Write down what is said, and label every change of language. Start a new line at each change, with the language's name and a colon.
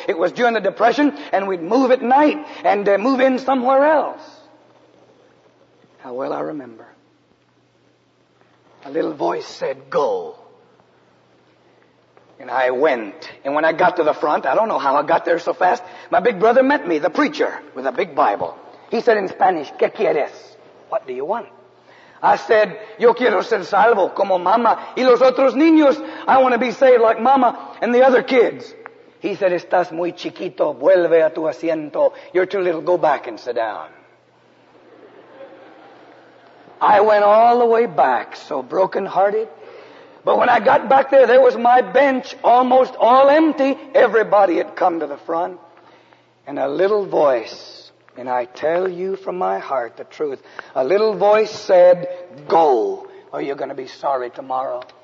English: It was during the Depression, and we'd move at night and move in somewhere else. How well I remember. A little voice said, go. And I went. And when I got to the front, I don't know how I got there so fast, my big brother met me, the preacher, with a big Bible. He said in Spanish,
Spanish: ¿qué quieres?
English: What do you want? I said,
Spanish: yo quiero ser salvo como mama y los otros niños.
English: I want to be saved like mama and the other kids. He said,
Spanish: estás muy chiquito, vuelve a tu asiento.
English: You're too little, go back and sit down. I went all the way back, so brokenhearted. But when I got back there, there was my bench almost all empty. Everybody had come to the front. And a little voice, and I tell you from my heart the truth, a little voice said, go, or you're going to be sorry tomorrow.